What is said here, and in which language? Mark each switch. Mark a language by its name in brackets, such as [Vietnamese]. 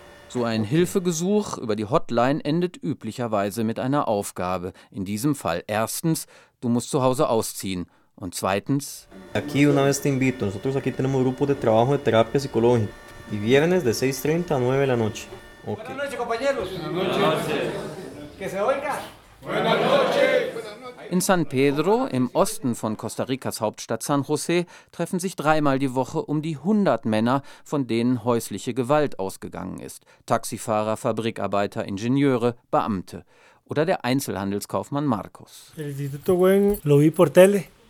[German] So ein Hilfegesuch über die Hotline endet üblicherweise mit einer Aufgabe. In diesem Fall erstens, du musst zu Hause ausziehen. Und zweitens, [Spanish] aquí una vez te invito, nosotros aquí tenemos grupo de trabajo de terapia psicológica y viernes de 6:30 a 9 de la noche. Okay. Buenas noches, compañeros. Buenas noches. Que se oiga. Buenas noches. [German] In San Pedro, im Osten von Costa Ricas Hauptstadt San José, treffen sich dreimal die Woche um die 100 Männer, von denen häusliche Gewalt ausgegangen ist. Taxifahrer, Fabrikarbeiter, Ingenieure, Beamte oder der Einzelhandelskaufmann Marcos. [Spanish] El Instituto WEM lo vi por tele.